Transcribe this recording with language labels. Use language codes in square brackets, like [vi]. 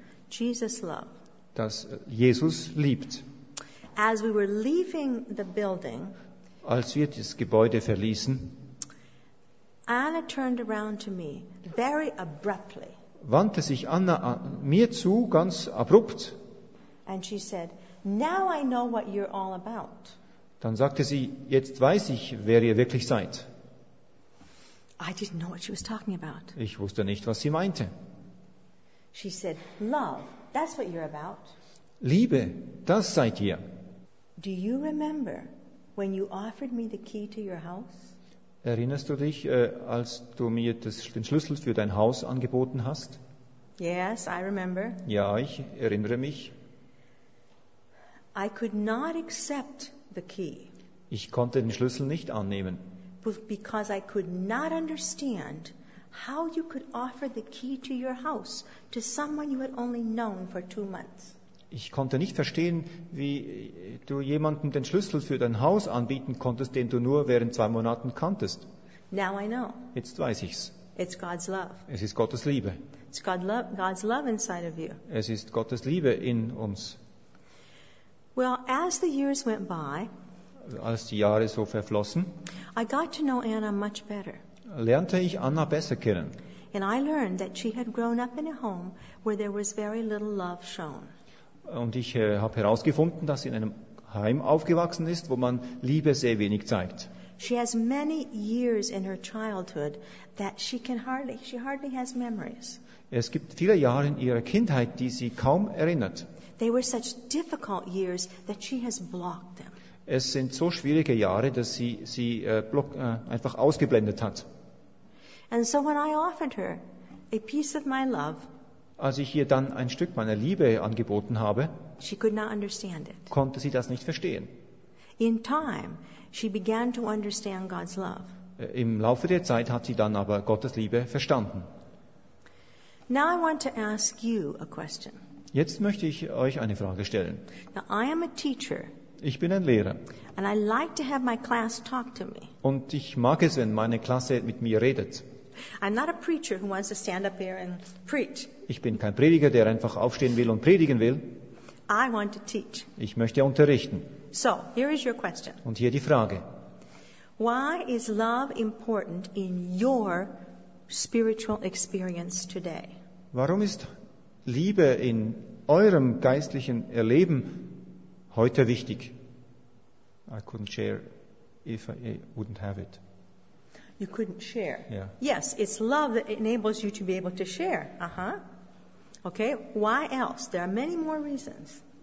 [en] Jesus love. [de] Dass Jesus liebt. [en] As we were leaving the building, [de] als wir das Gebäude verließen, [en] Anna turned around to me very abruptly. [de] Wandte sich Anna mir zu ganz abrupt. [en] And she said, "Now I know what you're all about." [de] Dann sagte sie, jetzt weiß ich, wer ihr wirklich seid. [en] I didn't know what she was talking about. [de] Ich wusste nicht, was sie meinte. [en] She said, "Love, that's what you're about." [de] Liebe, das seid ihr. [en] Do you remember when you offered me the key to your house? [de] Erinnerst du dich, als du mir den Schlüssel für dein Haus angeboten hast? [en] Yes, I remember. [de] Ja, ich erinnere mich. [en] I could not accept the key. [de] Ich konnte den Schlüssel nicht annehmen. [en] Because I could not understand how you could offer the key to your house to someone you had only known for 2 months. [de] Ich konnte nicht verstehen, wie du jemandem den Schlüssel für dein Haus anbieten konntest, den du nur während 2 Monaten kanntest. [en] Now I know. [de] Jetzt weiß ich's. [en] It's God's love. [de] Es ist Gottes Liebe. [en] It's God's love inside of you. [de] Es ist Gottes Liebe in uns. [en] Well, as the years went by, [de] als die Jahre so verflossen, [en] I got to know Anna much better. [de] Lernte ich Anna besser kennen. [en] And I learned that she had grown up in a home where there was very little love shown. [de] Und ich habe herausgefunden, dass sie in einem Heim aufgewachsen ist, wo man Liebe sehr wenig zeigt. [en] She has many years in her childhood that she hardly has memories. [de] Es gibt viele Jahre in ihrer Kindheit, die sie kaum erinnert. [en] They were such difficult years that she has blocked them. [de] Es sind so schwierige Jahre, dass sie einfach ausgeblendet hat. [en] And so when I offered her a piece of my love, [de] als ich ihr dann ein Stück meiner Liebe angeboten habe, [en] she could not understand it. [de] Konnte sie das nicht verstehen. [en] In time, she began to understand God's love. [de] Im Laufe der Zeit hat sie dann aber Gottes Liebe verstanden. [en] Now I want to ask you a question. [de] Jetzt möchte ich euch eine Frage stellen. [en] Now I am a teacher. [de] Ich bin ein Lehrer. [en] And I like to have my class talk to me. [de] Und ich mag es, wenn meine Klasse mit mir redet. [en] I'm not a preacher who wants to stand up here and preach. [de] Ich bin kein Prediger, der einfach aufstehen will und predigen will. [en] I want to teach. [de] Ich möchte unterrichten. [en] So, here is your question. [de] Und hier die Frage. [en] Why is love important in your spiritual experience today? [de] Warum ist Liebe in eurem geistlichen Erleben heute wichtig? [en] I couldn't share if I wouldn't have it. You couldn't share. Yeah. Yes, it's love that enables you to be able to share. Uh-huh. Okay, why else? There are many more reasons.